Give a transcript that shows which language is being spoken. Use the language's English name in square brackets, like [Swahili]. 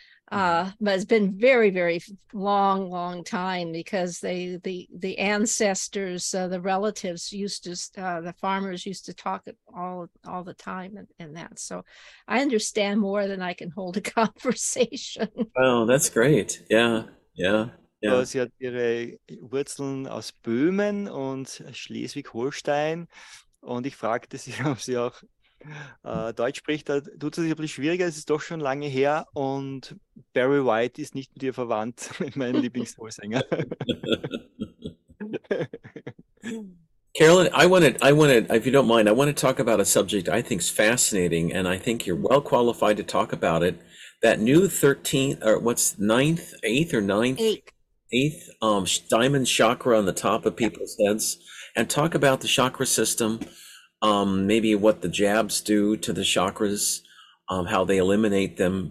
[English] but it's been very, very long time, because the ancestors, the relatives used to, the farmers used to talk all the time, and that, so I understand more than I can hold a conversation. Oh, that's great. Yeah. [German] Sie hat ihre Wurzeln aus Böhmen und Schleswig-Holstein. Und ich fragte sie, ob sie auch Deutsch spricht. Da tut es sich ein bisschen schwieriger, es ist doch schon lange her. Und Barry White ist nicht mit ihr verwandt, mit meinem Lieblingsvorsänger. [English] Carolyn, I want to talk about a subject I think is fascinating, and I think you're well qualified to talk about it. That new 13th, or what's 9th, 8th or 9th? 8th. Eighth diamond chakra on the top of people's heads, and talk about the chakra system, maybe what the jabs do to the chakras, how they eliminate them.